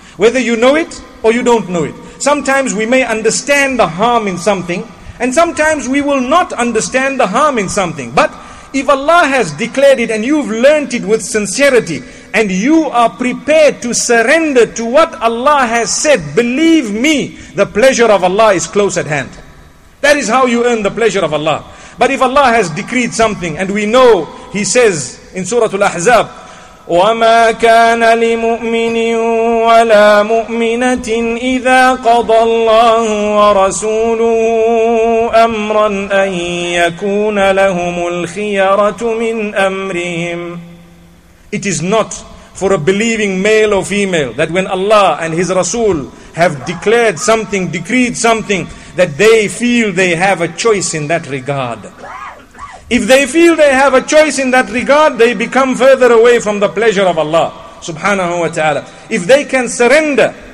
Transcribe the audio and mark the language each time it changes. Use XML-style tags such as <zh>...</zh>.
<en>Whether you know it or you don't know it. Sometimes we may understand the harm in something, and sometimes we will not understand the harm in something. But if Allah has declared it and you've learnt it with sincerity, and you are prepared to surrender to what Allah has said, believe me, the pleasure of Allah is close at hand. That is how you earn the pleasure of Allah. But if Allah has decreed something, and we know, He says in Surah Al-Ahzab,</en> <ar>وَمَا كَانَ لِمُؤْمِنٍ وَلَا مُؤْمِنَةٍ إِذَا قَضَى اللَّهُ وَرَسُولُهُ أَمْرًا أَن يَكُونَ لَهُمُ الْخِيَرَةُ مِنْ أَمْرِهِمْ.</ar> <en>It is not for a believing male or female that when Allah and His Rasul have declared something, decreed something, that they feel they have a choice in that regard. If they feel they have a choice in that regard, they become further away from the pleasure of Allah subhanahu wa ta'ala. If they can surrender</en>